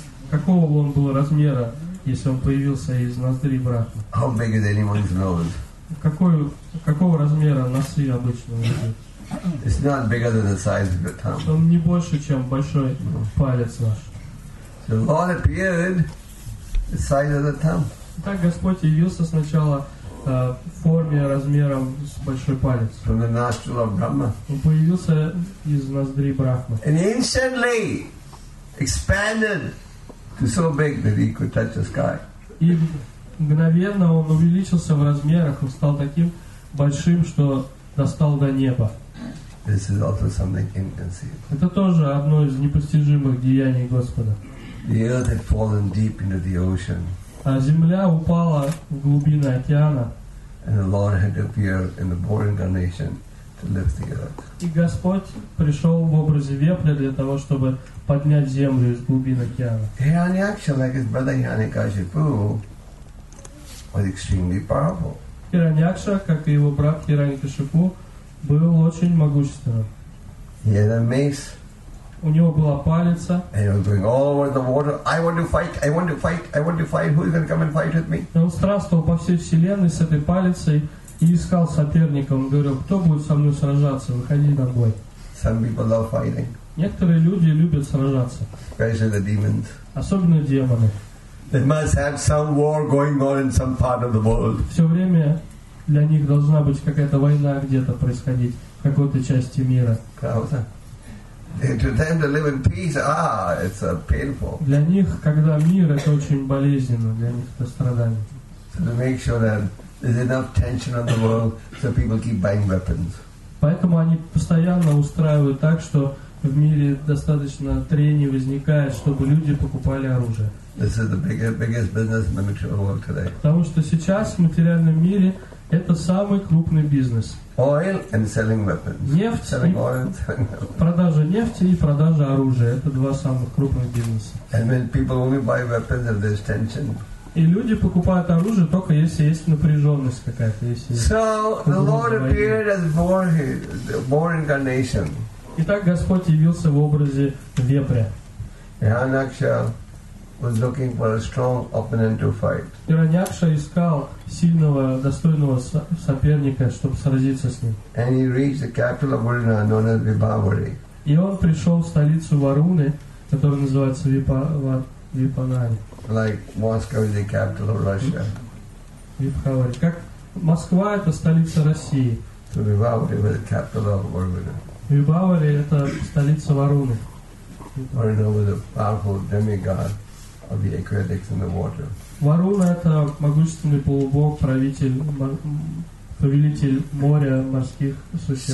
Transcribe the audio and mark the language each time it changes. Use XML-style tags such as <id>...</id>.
<ru>Какого он был размера, если он появился из ноздри Брахмы?</ru> <en>How big is anyone's nose?</en> <ru>Какого размера носы обычного люди?</ru> <en>It's not bigger than the size of your thumb.</en> <ru>Он не больше, чем большой палец наш.</ru> <en>The Lord appeared the size of the thumb.</en> <ru>Так Господь явился сначала в форме размером с большой палец.</ru> <en>From the nostril of Brahma.</en> <ru>Он появился из ноздри Брахмы.</ru> <en>And instantly expanded to so big that he could touch the sky.</en> <ru>И мгновенно он увеличился в размерах, он стал таким большим, что достал до неба.</ru> <en>This is also something inconceivable.</en> <ru>Это тоже одно из непостижимых деяний Господа.</ru> <en>The earth had fallen deep into the ocean.</en> <ru>А земля упала в глубины океана.</ru> <en>And the Lord had appeared in the boar incarnation to lift the earth.</en> <ru>И Господь пришел в образе вепря для того, чтобы поднять землю из глубин океана.</ru> <en>Hiranyaksha, like his brother Hiranyakashipu, was extremely powerful.</en> <ru>Hiranyaksha, как и его брат Hiranyakashipu, был очень могущественным.</ru> <en>He had a mace.</en> <ru>У него была палица.</ru> <en>And he was going all over the water. I want to fight. I want to fight. I want to fight. Who is going to come and fight with me?</en> <ru>Он страстовал по всей вселенной с этой палицей и искал соперника. Он говорил, кто будет со мной сражаться? Выходи на бой.</ru> <en>Some people love fighting.</en> <ru>Некоторые люди любят сражаться.</ru> <en>Especially the demons.</en> <ru>Особенно демоны.</ru> <en>They must have some war going on in some part of the world.</en> <ru>Все время для них должна быть какая-то война где-то происходить в какой-то части мира. Правда?</ru> <en>To them to live in peace, it's painful.</en> <ru>Для них, когда мир, это очень болезненно, для них это страдание.</ru> <en>So to make sure that there's enough tension on the world, so people keep buying weapons.</en> <ru>Поэтому они постоянно устраивают так, что в мире достаточно трений возникает, чтобы люди покупали оружие.</ru> <en>This is the biggest business in the material world today.</en> <ru>Потому что сейчас в материальном мире это самый крупный бизнес.</ru> <en>Oil and selling weapons.</en> <ru>Нефть</ru> <en>selling и oil.</en> <ru>Продажа нефти и продажа оружия. Это два самых крупных бизнеса.</ru> <en>And when people only buy weapons if there's tension.</en> <ru>И люди покупают оружие только если есть напряженность какая-то. Если</ru> <en>so the Lord appeared as boar incarnation.</en> <ru>Итак, Господь явился в образе вепря.</ru> <en>Hiranyaksha was looking for a strong opponent to fight.</en> <ru>Hiranyaksha искал сильного, достойного соперника, чтобы сразиться с ним.</ru> <en>And he reached the capital of Varuna, known as Vipavari.</en> <ru>И он пришел в столицу Варуны, которая называется Випанари.</ru> <en>Like Moscow is the capital of Russia. Vipavari.</en> <ru>Как Москва это столица России.</ru> <en>So Vipavari was the capital of Varuna.</en> <ru>Vipavari это столица Варуны.</ru> <en>Varuna was a powerful demigod of the aquatics in the water.</en> <ru>Варуна это могущественный полубог, повелитель моря, морских существ.</ru>